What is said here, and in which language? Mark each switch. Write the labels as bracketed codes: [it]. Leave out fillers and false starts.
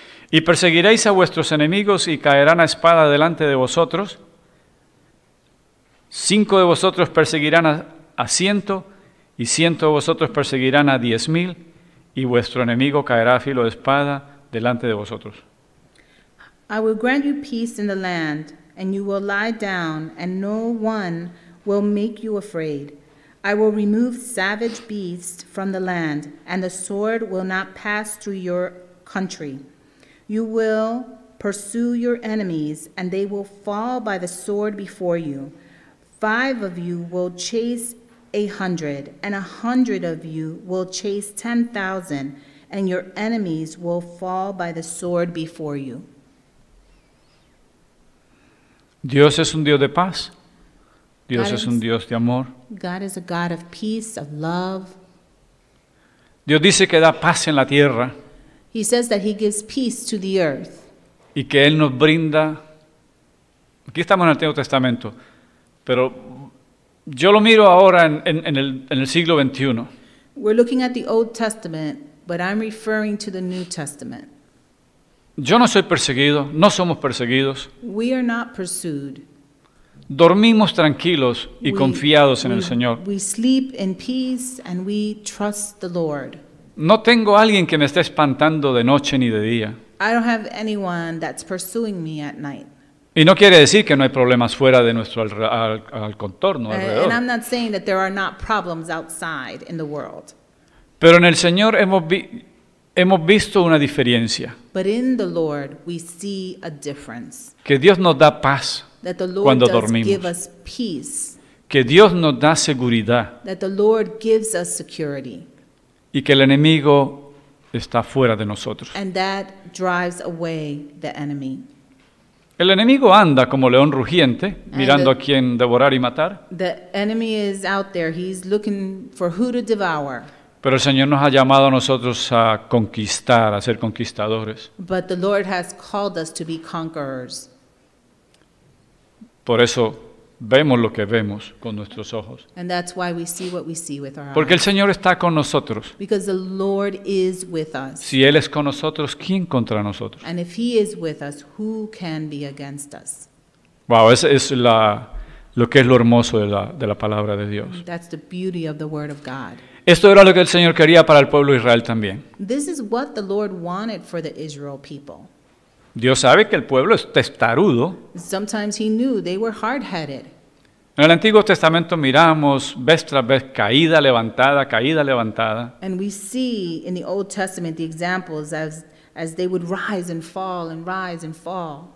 [es] Y perseguiréis a vuestros enemigos y caerán a espada delante de vosotros. Cinco de vosotros perseguirán a ciento, y ciento de vosotros perseguirán a 10,000, y vuestro enemigo caerá a filo de espada delante de vosotros. [en] I will grant you peace in the land, and you will lie down, and no one will make you afraid. I will remove savage beasts from the land, and the sword will not pass through your country. You will pursue your enemies, and they will fall by the sword before you. Five of you will chase 100, and 100 of you will chase 10,000, and your enemies will fall by the sword before you. [es] Dios es un Dios de paz. Dios es un Dios de amor. [en] God is a God of peace, of love. [es] Dios dice que da paz en la tierra. [en] He says that he gives peace to the earth. [es] Y que él nos brinda. Aquí estamos en el Antiguo Testamento, pero yo lo miro ahora en el siglo XXI. [en] We're looking at the Old Testament, but I'm referring to the New Testament. [es] Yo no soy perseguido, no somos perseguidos. [en] We are not pursued. [es] Dormimos tranquilos y confiados en el Señor. [en] We sleep in peace and we trust the Lord. [es] No tengo alguien que me esté espantando de noche ni de día. [en] I don't have anyone that's pursuing me at night. [es] Y no quiere decir que no hay problemas fuera de nuestro al contorno, alrededor. [en] And I'm not saying that there are not problems outside in the world. [es] Pero en el Señor hemos visto una diferencia. [en] But in the Lord we see a difference. [es] Que Dios nos da paz. [en] That the Lord [es] cuando [en] does [es] dormimos. [en] Give us peace. [es] Que Dios nos da seguridad. [en] That the Lord gives us security. [es] Y que el enemigo está fuera de nosotros. [en] And that drives away the enemy. [es] El enemigo anda como león rugiente, mirando a quien devorar y matar. [en] The enemy is out there. He's looking for who to devour. [es] Pero el Señor nos ha llamado a nosotros a conquistar, a ser conquistadores. [en] But the Lord has called us to be conquerors. [es] Por eso vemos lo que vemos con nuestros ojos. [en] And that's why we see what we see with our eyes. [es] Porque el Señor está con nosotros. [en] Because the Lord is with us. [es] Si Él es con nosotros, ¿quién contra nosotros? [en] And if He is with us, who can be against us? [es] Wow, esa es lo que es lo hermoso de la palabra de Dios. [en] That's the beauty of the Word of God. [es] Esto era lo que el Señor quería para el pueblo de Israel también. [en] This is what the Lord wanted for the Israel people. [es] Dios sabe que el pueblo es testarudo. [en] Sometimes he knew they were hard-headed. [es] En el Antiguo Testamento miramos vez tras vez caída, levantada, caída, levantada. [en] And we see in the Old Testament the examples as they would rise and fall and rise and fall.